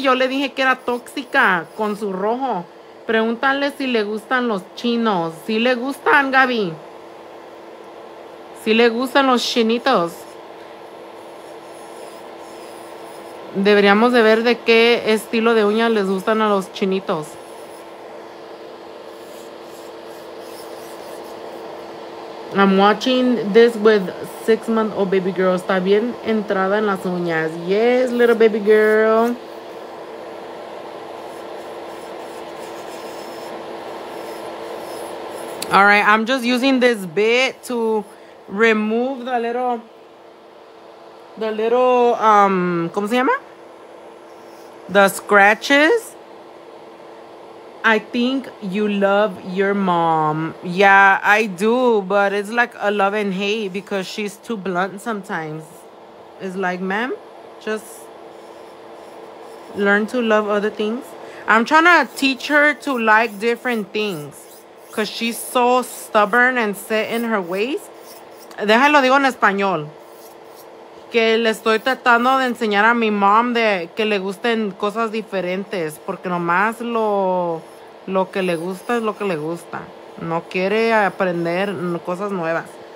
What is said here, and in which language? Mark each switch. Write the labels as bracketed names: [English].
[Spanish] Yo le dije que era tóxica con su rojo. Pregúntale si le gustan los chinos. Si le gustan, Gaby. Si le gustan los chinitos. Deberíamos de ver de qué estilo de uña les gustan a los chinitos. [English] I'm watching this with 6-month-old baby girl. [Spanish] Está bien entrada en las uñas. [English] Yes, little baby girl. All right, I'm just using this bit to remove the little, [Spanish] ¿cómo se llama? [English] The scratches. I think you love your mom. Yeah, I do, but it's like a love and hate because she's too blunt sometimes. It's like, ma'am, just learn to love other things. I'm trying to teach her to like different things. Because she's so stubborn and set in her ways. [Spanish] Déjalo digo en español. Que le estoy tratando de enseñar a mi mom de que le gusten cosas diferentes. Porque nomás lo que le gusta es lo que le gusta. No quiere aprender cosas nuevas.